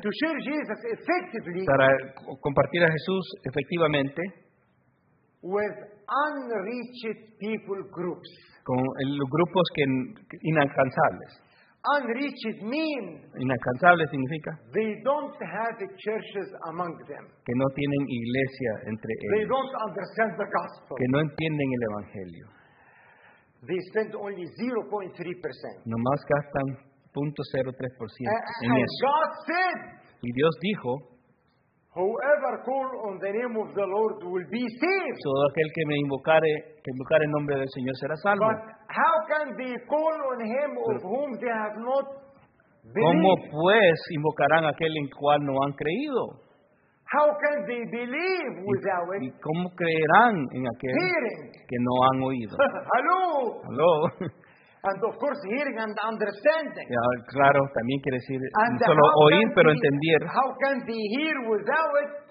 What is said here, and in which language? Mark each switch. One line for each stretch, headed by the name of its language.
English: to share Jesus effectively,
Spanish: para compartir a Jesús efectivamente.
English: with unreached people groups.
Spanish: Con los grupos que inalcanzables.
English: Unreached means
Spanish: inalcanzable significa
English: they don't have churches among them.
Spanish: Que no tienen iglesia entre ellos.
English: They don't understand the gospel.
Spanish: Que no entienden el evangelio.
English: They spend only 0.3%.
Spanish: Nomás gastan 0.03% en eso.
English: And God said,
Spanish: y Dios dijo,
English: whoever calls on the name of the Lord will be saved.
Spanish: Todo aquel que me invocare, que invocare el nombre del Señor será salvo.
English: But how can they call on him of whom they have not believed?
Spanish: ¿Cómo pues invocarán aquel en cual no han creído?
English: How can they believe without
Spanish: ¿Y cómo creerán en aquel
English: hearing?
Spanish: Que no han oído?
English: Hello. Hello. And of course, hearing and understanding.
Spanish: Yeah, claro, también quiere decir and no solo oír, pero entender.
English: How can they hear without it?